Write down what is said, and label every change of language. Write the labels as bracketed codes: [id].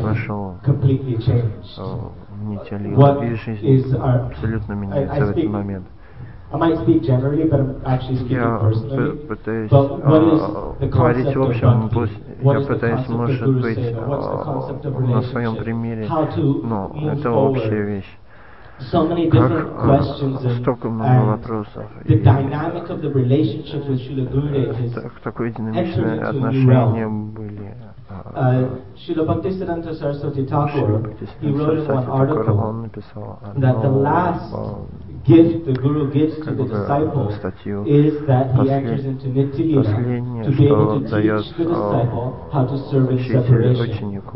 [ru] вошел в нетели, и жизнь абсолютно меняется в этот момент. [en] I might speak generally, but I'm actually speaking [ru] я [en] personally. [ru] Говорить в общем, я пытаюсь, может быть, на своем примере, но это общая вещь. [en] So many different questions and [ru] вопросов, [en] the dynamic of the relationship with Srila Gurudev has entered into a new realm. Srila Bhaktisiddhanta Saraswati Thakur, he wrote in one article that the last gift the Guru gives to the disciple is that he enters into Nityalila to be able to teach the disciple how to serve in separation.